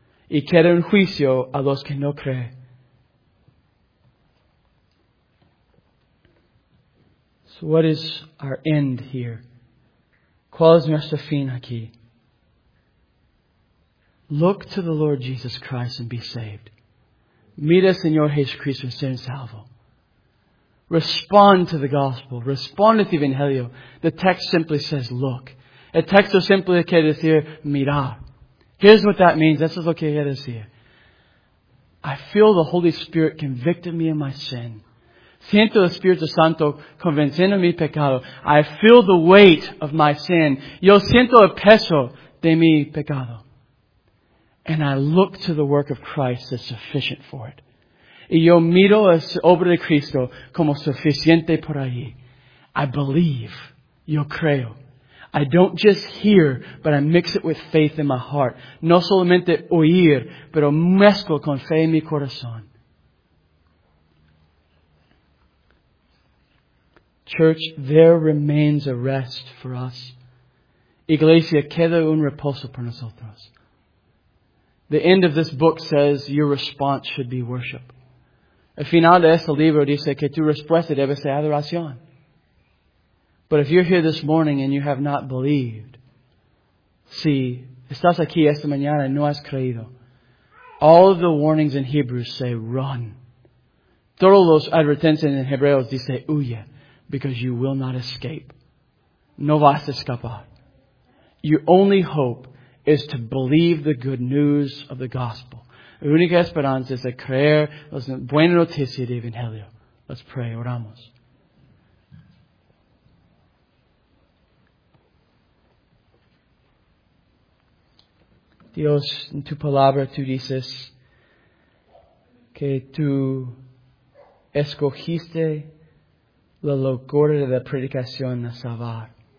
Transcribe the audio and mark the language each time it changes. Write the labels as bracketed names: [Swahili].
[Spanish] Y queda un juicio a los que no creen. [English] So what is our end here? [Spanish] ¿Cuál es nuestro fin aquí? [English] Look to the Lord Jesus Christ and be saved. [Spanish] Mira, Señor Jesucristo, ser salvo. [English] Respond to the gospel. Respond to the evangelio. The text simply says, look. [Spanish] El texto simple quiere decir, mira. [English] Here's what that means. [Spanish] Eso es lo que quiere decir. [English] I feel the Holy Spirit convicted me of my sin. [Spanish] Siento el Espíritu Santo convenciendo mi pecado. [English] I feel the weight of my sin. [Spanish] Yo siento el peso de mi pecado. [English] And I look to the work of Christ that's sufficient for it. [Spanish] Y yo miro la obra de Cristo como suficiente por allí. [English] I believe. [Spanish] Yo creo. [English] I don't just hear, but I mix it with faith in my heart. [Spanish] No solamente oír, pero mezclo con fe en mi corazón. [English] Church, there remains a rest for us. [Spanish] Iglesia, queda un reposo por nosotros. [English] The end of this book says your response should be worship. [Spanish] El final de este libro dice que tu respuesta debe ser adoración. [English] But if you're here this morning and you have not believed, [Spanish] si estás aquí esta mañana y no has creído, [English] all of the warnings in Hebrews say run. [Spanish] Todos los advertencias en Hebreos dice huye, [English] because you will not escape. [Spanish] No vas a escapar. [English] Your only hope is to believe the good news of the gospel. [Spanish] La única esperanza es creer la buena noticia del Evangelio. [English] Let's pray. [Spanish] Oramos. Dios, en tu palabra, tú dices que tú escogiste la locura de la predicación a salvar.